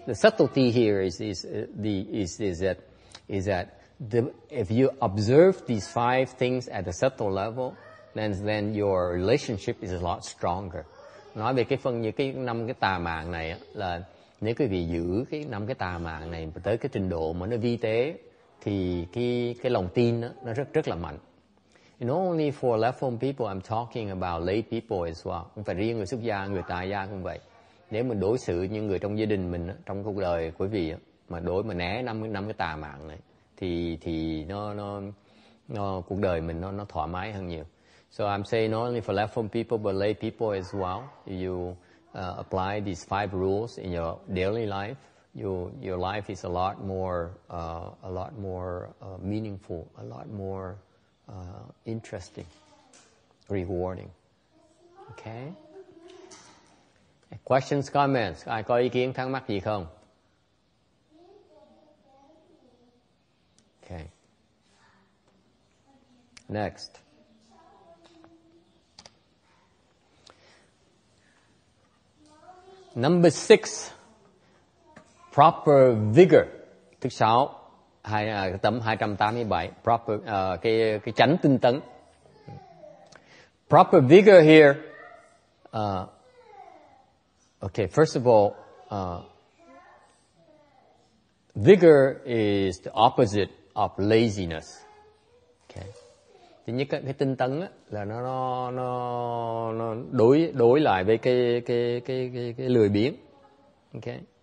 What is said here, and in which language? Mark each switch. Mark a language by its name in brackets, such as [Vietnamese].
[English] The subtlety here is that if you observe these five things at a subtle level, then your relationship is a lot stronger. [Vietnamese] Nói về cái phần như cái năm cái tà mạng này là nếu quý vị giữ cái năm cái tà mạng này tới cái trình độ mà nó vi tế thì cái lòng tin nó rất rất là mạnh. [English] Not only for left home people, I'm talking about lay people as well. [Vietnamese] Không phải riêng người xuất gia, người tại gia cũng vậy. Nếu mình đối xử như người trong gia đình mình, trong cuộc đời của quý vị mà đối mà né năm cái tà mạng này thì nó cuộc đời mình nó thoải mái hơn nhiều. [English] So I'm saying not only for left home people but lay people as well. Apply these five rules in your daily life, your life is a lot more meaningful, a lot more interesting, rewarding. Okay? Questions, comments? [Vietnamese] Ai có ý kiến thắc mắc gì không? [English] Okay. Next. Number six, proper vigor. [Vietnamese] Thứ sáu, tấm 287, proper, cái chánh tinh tấn. [English] Proper vigor here. Okay, first of all, vigor is the opposite of laziness. Okay. [Vietnamese] Thứ nhất, cái tinh tấn á, là nó đối lại với cái lười biếng. Okay.